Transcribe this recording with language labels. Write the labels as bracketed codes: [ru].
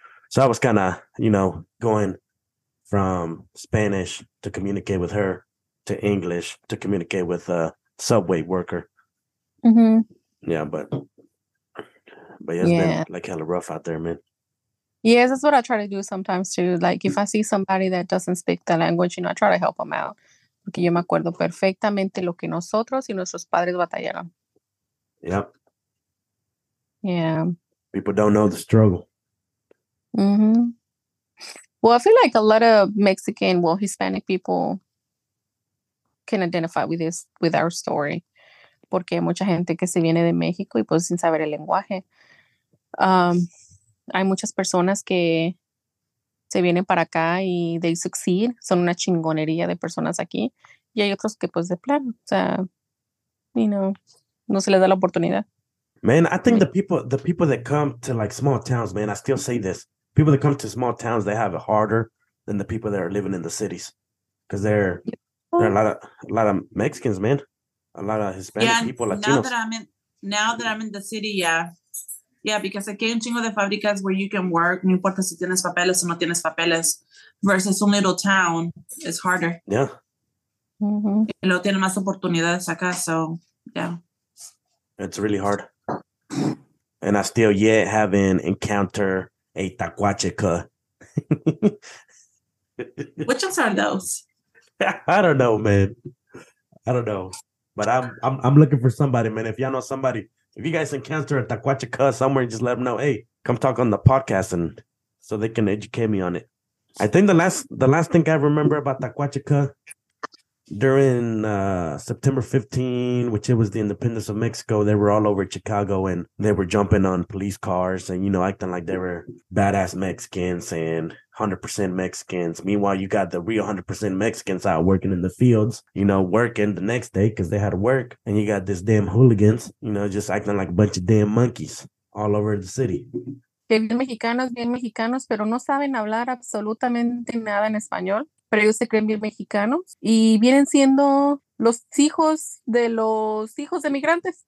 [en] So I was kind of, you know, going from Spanish to communicate with her to English to communicate with a Subway worker. Mm-hmm. Yeah, but yeah, it's been like hella rough out there, man. Yes, that's what I try to do sometimes too. Like if I see somebody that doesn't speak the language, you know, I try to help them out. [es] Porque yo me acuerdo perfectamente lo que nosotros y nuestros padres batallaron. [en] Yep. Yeah. People don't know the struggle. Mm-hmm. Well, I feel like a lot of Mexican, well, Hispanic people can identify with this, with our story. [es] Porque hay mucha gente que se viene de México y pues sin saber el lenguaje. Hay muchas personas que se vienen para acá y [en] they succeed. [es] Son una chingonería de personas aquí. Y hay otros que pues de plan, o sea, [en] you know, [es] no se les da la oportunidad. [en] Man, I think the people that come to like small towns, man, I still say this. People that come to small towns, they have it harder than the people that are living in the cities. Because there are a lot of Mexicans, man. A lot of Hispanic people, Latinos. Now that I'm in the city, Yeah, because [es] aquí hay un chingo de fábricas [en] where you can work, [es] no importa si tienes papeles [en] o no tienes papeles, versus un little town, it's harder. Yeah. Mm-hmm. [es] Y luego tiene más oportunidades acá, [en] so, yeah. It's really hard. And I still yet haven't encountered a tacuacheca. Which ones are those? I don't know, man. I don't know. But I'm looking for somebody, man. If y'all know somebody, if you guys encounter a tacuacheca somewhere, just let them know, hey, come talk on the podcast and so they can educate me on it. I think the last thing I remember about tacuacheca during September 15, which it was the independence of Mexico, they were all over Chicago and they were jumping on police cars and, you know, acting like they were badass Mexicans and 100% Mexicans. Meanwhile, you got the real 100% Mexicans out working in the fields, you know, working the next day because they had to work. And you got this damn hooligans, you know, just acting like a bunch of damn monkeys all over the city. [es] Que bien mexicanos, pero no saben hablar absolutamente nada en español. Pero ellos se creen bien mexicanos y vienen siendo los hijos de migrantes.